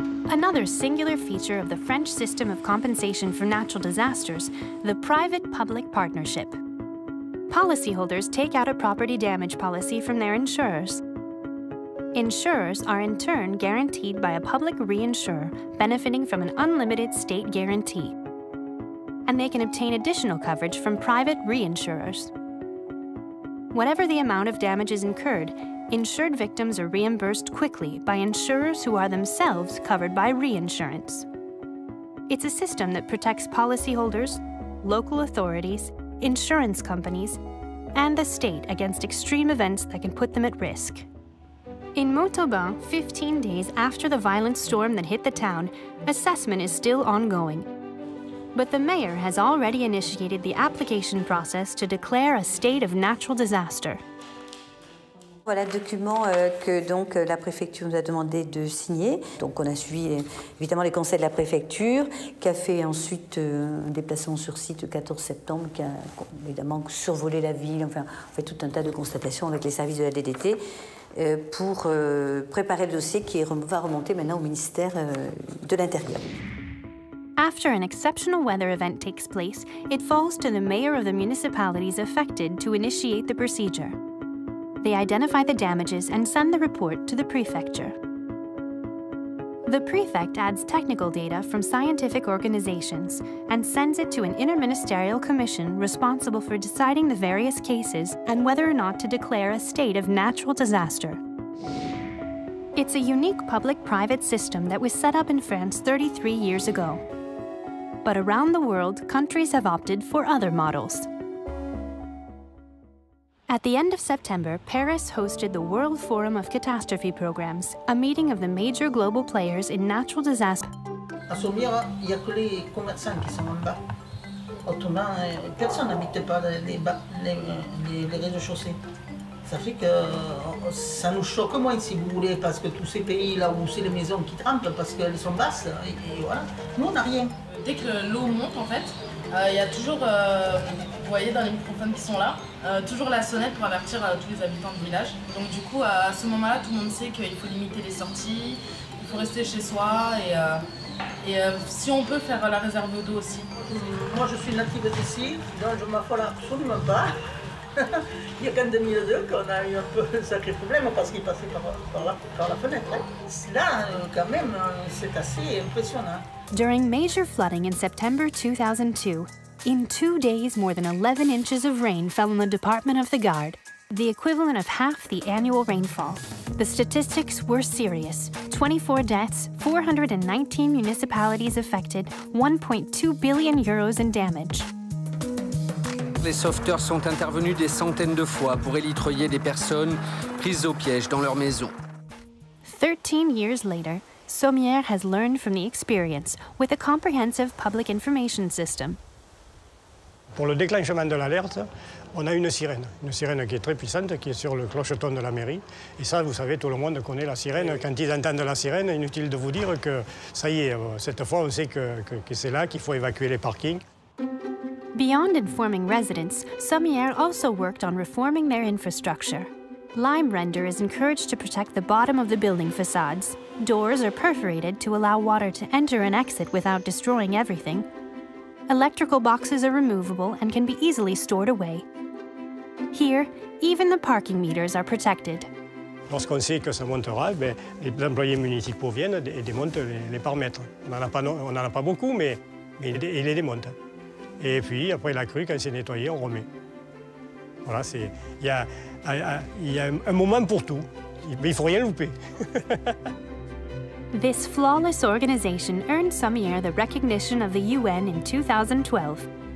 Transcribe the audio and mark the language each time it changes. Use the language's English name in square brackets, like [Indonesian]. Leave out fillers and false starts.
[English] Another singular feature of the French system of compensation for natural disasters, the private-public partnership. Policyholders take out a property damage policy from their insurers. Insurers are in turn guaranteed by a public reinsurer benefiting from an unlimited state guarantee. And they can obtain additional coverage from private reinsurers. Whatever the amount of damages incurred, insured victims are reimbursed quickly by insurers who are themselves covered by reinsurance. It's a system that protects policyholders, local authorities, insurance companies, and the state against extreme events that can put them at risk. In Montauban, 15 days after the violent storm that hit the town, assessment is still ongoing. But the mayor has already initiated the application process to declare a state of natural disaster. [French] Voilà le document que donc la préfecture nous a demandé de signer. Donc on a suivi évidemment les conseils de la préfecture, qui a fait ensuite un déplacement sur site le 14 septembre, qui a évidemment survolé la ville, enfin on fait tout un tas de constatations avec les services de la DDT pour préparer le dossier qui va remonter maintenant au ministère de l'Intérieur. [English] After an exceptional weather event takes place, it falls to the mayor of the municipalities affected to initiate the procedure. They identify the damages and send the report to the prefecture. The prefect adds technical data from scientific organizations and sends it to an interministerial commission responsible for deciding the various cases and whether or not to declare a state of natural disaster. It's a unique public-private system that was set up in France 33 years ago. But around the world, countries have opted for other models. At the end of September, Paris hosted the World Forum of Catastrophe Programs, a meeting of the major global players in natural disasters. [French] À Saumur, il y a que les commerçants qui sont en bas. Autrement, personne n'habite pas les rez-de-chaussée. Ça fait que ça nous choque moins, si vous voulez, parce que tous ces pays là où c'est les maisons qui trempent parce qu'elles sont basses, et voilà. Nous, on n'a rien. Dès que l'eau monte, en fait, il y a toujours, vous voyez dans les microphones qui sont là, toujours la sonnette pour avertir tous les habitants du village. Donc du coup, à ce moment-là, tout le monde sait qu'il faut limiter les sorties, il faut rester chez soi et si on peut faire la réserve d'eau aussi. Moi, je suis native d'ici, donc je ne m'affole absolument pas. Il y a qu'en 2002 qu'on a eu un peu un sacré problème parce qu'il passait par la fenêtre. Hein. Là, quand même, c'est assez impressionnant. [English] During major flooding in September 2002, in 2 days, more than 11 inches of rain fell in the Department of the Gard, the equivalent of half the annual rainfall. The statistics were serious. 24 deaths, 419 municipalities affected, 1.2 billion euros in damage. [French] les sauveteurs sont intervenus des centaines de fois pour élitreiller des personnes prises au piège dans leur maison. [English] 13 years later, Sommière has learned from the experience with a comprehensive public information system. [French] Pour le déclenchement de l'alerte, on a une sirène qui est très puissante, qui est sur le clocheton de la mairie. Et ça, vous savez, tout le monde connaît la sirène. Quand ils entendent la sirène, inutile de vous dire que ça y est, cette fois, on sait que c'est là qu'il faut évacuer les parkings. [English] Beyond informing residents, Sommière also worked on reforming their infrastructure. Lime render is encouraged to protect the bottom of the building facades. Doors are perforated to allow water to enter and exit without destroying everything. Electrical boxes are removable and can be easily stored away. Here, even the parking meters are protected. [French] Lorsqu'on sait que ça montera, les employés municipaux viennent et démontent les paramètres. On n'en a pas beaucoup, mais ils les démontent. Et puis, après la crue, quand c'est nettoyé, on remet. Voilà, il y a un moment pour tout. Mais il ne faut rien louper. [English] This flawless organization earned Sommière the recognition of the UN in 2012.